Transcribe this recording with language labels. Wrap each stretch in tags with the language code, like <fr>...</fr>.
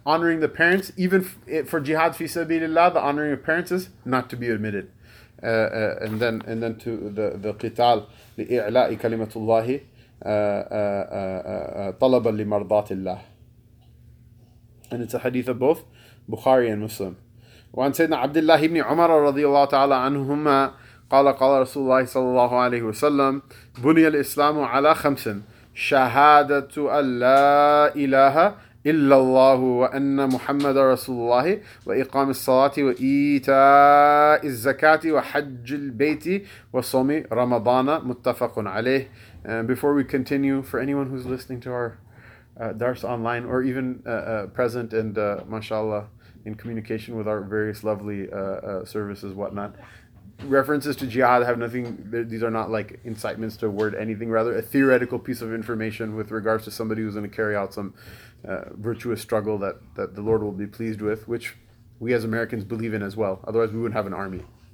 <en>Honoring the parents, even for jihad fi sabilillah, the honoring of parents is not to be omitted. And then to the</en> <ar>qital li i'la'i kalimatullahi talaban li mardatillah.</ar> <en>And it's a hadith of both Bukhari and Muslim.</en> <ar>وعن سيدنا عبد الله بن عمر رضي الله تعالى عنهما قال قال رسول الله صلى الله عليه وسلم بني الإسلام على خمس شهادة أن لا إله إلا الله وأن محمد رسول الله وإقام الصلاة وإيتاء الزكاة وحج البيت وصوم رمضان متفق عليه.</ar> <en>And before we continue, for anyone who's listening to our Dars online or even present and mashallah in communication with our various lovely services, whatnot. References to jihad have nothing, these are not like incitements to word anything, rather a theoretical piece of information with regards to somebody who's going to carry out some virtuous struggle that the Lord will be pleased with, which we as Americans believe in as well. Otherwise, we wouldn't have an army.</en>